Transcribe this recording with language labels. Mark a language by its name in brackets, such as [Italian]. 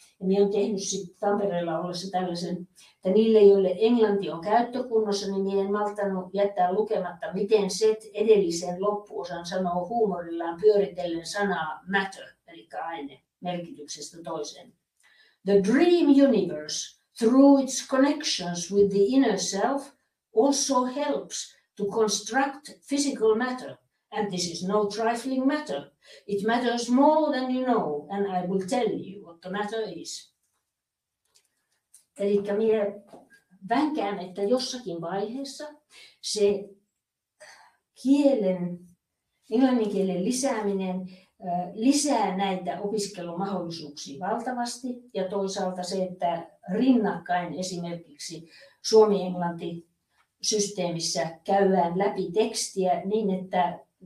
[Finnish] Ja minä olen tehnyt sitten Tampereella ollessa tällaisen, että niille, joille englanti on käyttökunnossa, niin minä en malttanut jättää lukematta, miten Set edellisen loppuosan sanoo huumorillaan pyöritellen sanaa matter, eli aine, merkityksestä toiseen. [English] The dream universe, through its connections with the inner self, also helps to construct physical matter. And this is no trifling matter. It matters more than you know, and I will tell you what the matter is. [Finnish] Eli minä vänkään, että jossakin vaiheessa se kielen, englannin kielen lisääminen lisää näitä opiskelumahdollisuuksia valtavasti, ja toisaalta se, että rinnakkain esimerkiksi suomi-englanti-systeemissä käydään läpi tekstiä niin, että